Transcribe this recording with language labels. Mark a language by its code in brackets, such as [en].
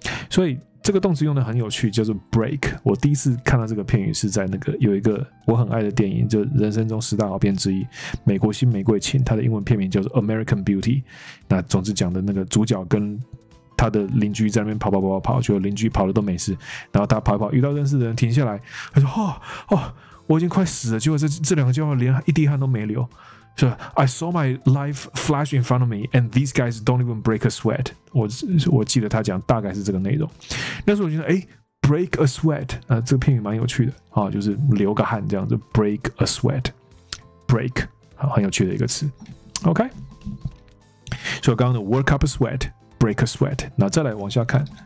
[zh] 所以这个动词用的很有趣，叫做 break。我第一次看到这个片语是在那个有一个我很爱的电影，就人生中十大好片之一，美国新玫瑰情，它的英文片名叫做 American Beauty。那总之讲的那个主角跟他的邻居在那边跑跑跑跑跑，就邻居跑的都没事，然后他跑一跑遇到认识的人停下来，他说哦哦，我已经快死了，结果 这两个家伙连一滴汗都没流。 [en] So, I saw my life flash in front of me, and these guys don't even break a sweat. [zh] 我记得他讲大概是这个内容。那时候我觉得，哎 ， break a sweat，这个片语蛮有趣的啊，就是流个汗这样子 ，break a sweat，break， 很有趣的一个词。 OK， 所以刚刚的 work up a sweat, break a sweat， 那再来往下看。